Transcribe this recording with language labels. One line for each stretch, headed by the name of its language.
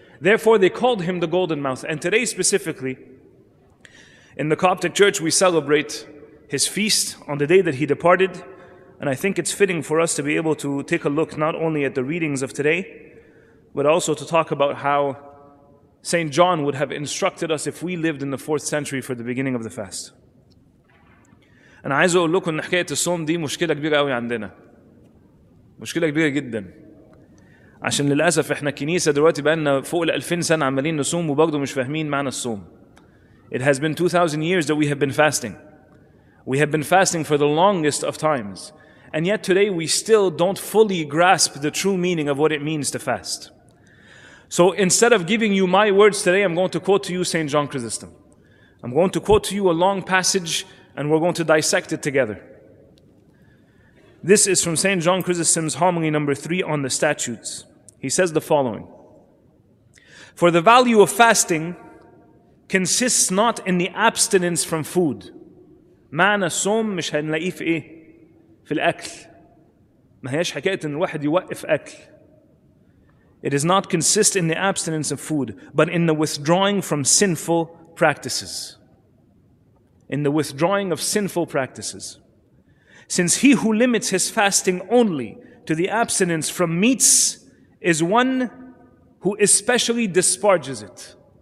English: Therefore, they called him the golden mouth. And today specifically, in the Coptic church, we celebrate his feast on the day that he departed. And I think it's fitting for us to be able to take a look not only at the readings of today, but also to talk about how St. John would have instructed us if we lived in the 4th century for the beginning of the fast.
Arabic: أنا عايز أقول لكم إن حكاية الصوم دي مشكلة كبيرة قوي عندنا. مشكلة كبيرة جدا. عشان للأسف إحنا كنيسة دلوقتي بقالنا فوق 2000 سنة عمالين نصوم وبرضه مش فاهمين معنى الصوم.
English: It has been 2000 years that we have been fasting. We have been fasting for the longest of times. And yet today we still don't fully grasp the true meaning of what it means to fast. So instead of giving you my words today, I'm going to quote to you St. John Chrysostom. I'm going to quote to you a long passage, and we're going to dissect it together. This is from St. John Chrysostom's homily number 3 on the statutes. He says the following: "For the value of fasting consists not in the abstinence from food."
Arabic: معنى الصوم مش هنلاقيه في ايه؟ في الأكل. ما هيش حكاية ان الواحد يوقف أكل.
English: It does not consist in the abstinence of food, but in the withdrawing from sinful practices. In the withdrawing of sinful practices. Since he who limits his fasting only to the abstinence from meats is one who especially disparages it.